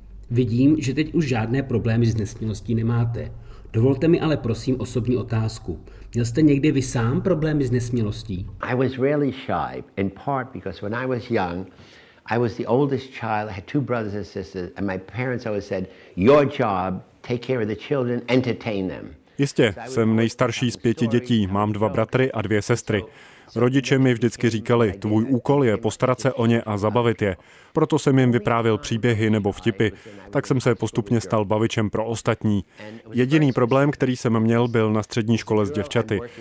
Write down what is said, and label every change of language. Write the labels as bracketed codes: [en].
[cs] Vidím, že teď už žádné problémy s nesmělostí nemáte. Dovolte mi ale prosím osobní otázku. Měl jste někdy vy sám problémy s nesmělostí? [en] I was really shy, in part because when I was young, I was the oldest child, I had two brothers and sisters, and my parents always said, your job, take care of the children, entertain them. [cs] Jistě, jsem nejstarší z pěti dětí, mám dva bratry a dvě sestry. Rodiče mi vždycky říkali, tvůj úkol je postarat se o ně a zabavit je. Proto jsem jim vyprávěl příběhy nebo vtipy. Tak jsem se postupně stal bavičem pro ostatní. Jediný problém, který jsem měl, byl na střední škole s děvčaty.